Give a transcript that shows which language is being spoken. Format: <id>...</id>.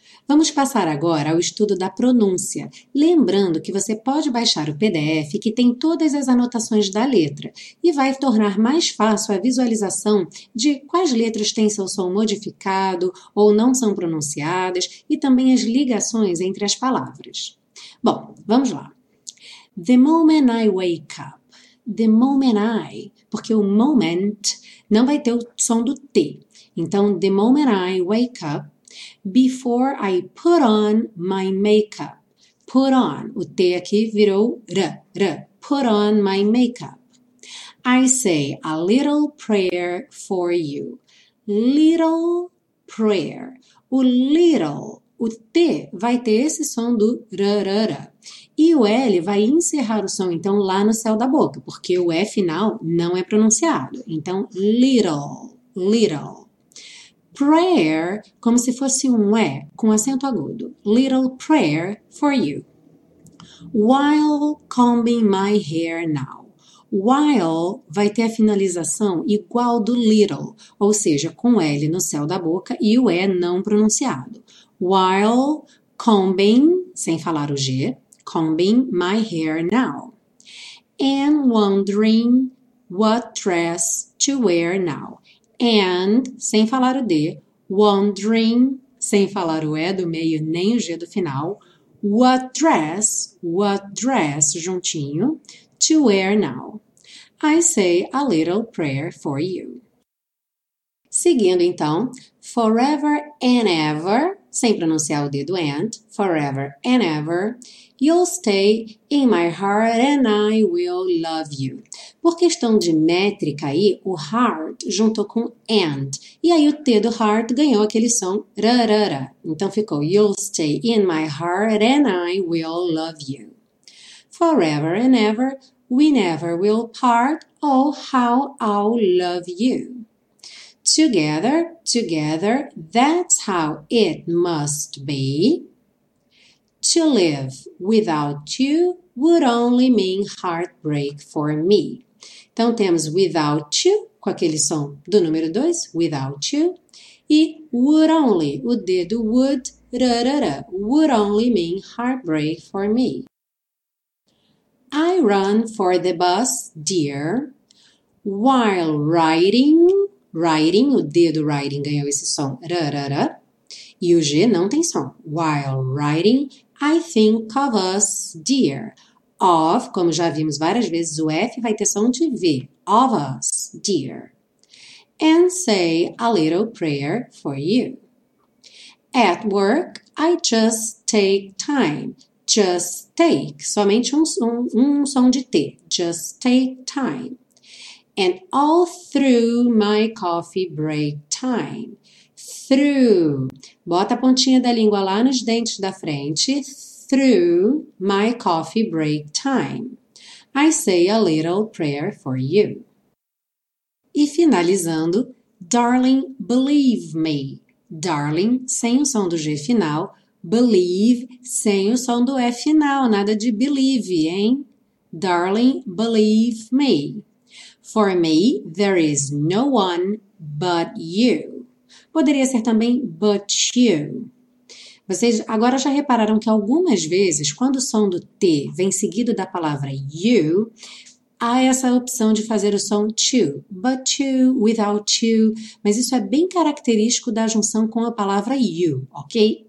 <pt>Vamos passar agora ao estudo da pronúncia. Lembrando que você pode baixar o PDF que tem todas as anotações da letra e vai tornar mais fácil a visualização de quais letras têm seu som modificado ou não são pronunciadas e também as ligações entre as palavras. Bom, vamos lá.</pt> <en>The moment I wake up. The moment I,</en> <pt>porque o moment não vai ter o som do T. Então,</pt> <en>the moment I wake up. Before I put on my makeup. Put on,</en> <pt>o T aqui virou R, R.</pt> <en>Put on my makeup. I say a little prayer for you. Little prayer.</en> <pt>O little, o T, vai ter esse som do R, R, R. E o L vai encerrar o som, então, lá no céu da boca, porque o E final não é pronunciado. Então, little, little. Prayer, como se fosse um E com acento agudo.</pt> <en>Little prayer for you. While combing my hair now.</en> <pt>While vai ter a finalização igual do little, ou seja, com L no céu da boca e o E não pronunciado.</pt> <en>While combing,</en> <pt>sem falar o G,</pt> <en>combing my hair now. And wondering what dress to wear now.</en> <pt>And, sem falar o D, wondering, sem falar o E do meio nem o G do final,</pt> <en>what dress,</en> <pt>juntinho,</pt> <en>to wear now. I say a little prayer for you.</en> <pt>Seguindo então,</pt> <en>forever and ever,</en> <pt>sem pronunciar o D do</pt> <en>and, forever and ever, you'll stay in my heart and I will love you.</en> <pt>Por questão de métrica aí, o heart juntou com and. E aí o T do heart ganhou aquele som rarara. Então ficou,</pt> <en>you'll stay in my heart and I will love you. Forever and ever, we never will part, oh how I'll love you. Together, together, that's how it must be. To live without you would only mean heartbreak for me.</en> <pt>Então temos without you, com aquele som do número 2, without you, e would only, o D do would, rarara,</pt> <en>would only mean heartbreak for me. I run for the bus, dear, while riding.</en> <pt>Writing, o D do writing ganhou esse som, rarara, e o G não tem som.</pt> <en>While writing, I think of us, dear.</en> <pt>Of, como já vimos várias vezes, o F vai ter som de V.</pt> <en>Of us, dear. And say a little prayer for you. At work, I just take time. Just take,</en> <pt>somente um som de T.</pt> <en>Just take time. And all through my coffee break time. Through.</en> <pt>Bota a pontinha da língua lá nos dentes da frente.</pt> <en>Through my coffee break time. I say a little prayer for you.</en> <pt>E finalizando,</pt> <en>darling, believe me.</en> <pt>Darling, sem o som do G final. Believe, sem o som do F final. Nada de believe, hein?</pt> <en>Darling, believe me. For me, there is no one but you.</en> <pt>Poderia ser também but you. Vocês agora já repararam que algumas vezes, quando o som do T vem seguido da palavra you, há essa opção de fazer o som to, but you, without you. Mas isso é bem característico da junção com a palavra you, ok?</pt>